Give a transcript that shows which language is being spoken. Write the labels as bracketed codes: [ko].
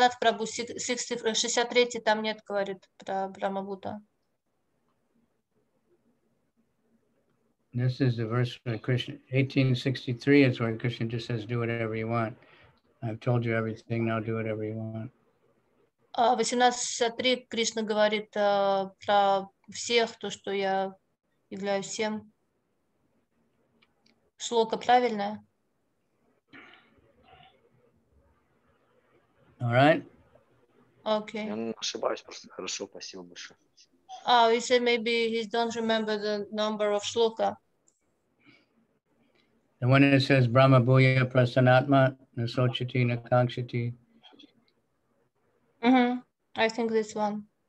[ru] Динадат Прабху, 63 там нет, говорит про Брахмабхута. [en] This is the verse by Krishna. 1863 is where Krishna just says, do whatever you want. I've told you everything, now do whatever you want. [ru] 1863 Krishna говорит про всех, то, что я являюсь всем. Шлока правильная? [en] All right. Okay. [ru] Я ошибаюсь просто. Хорошо, спасибо большое. [en] Oh, he said maybe he don't remember the number of shloka. The one that says Brahma Bhuya Prasanatma Nasochati Nakangshati. Mm-hmm. I think this one.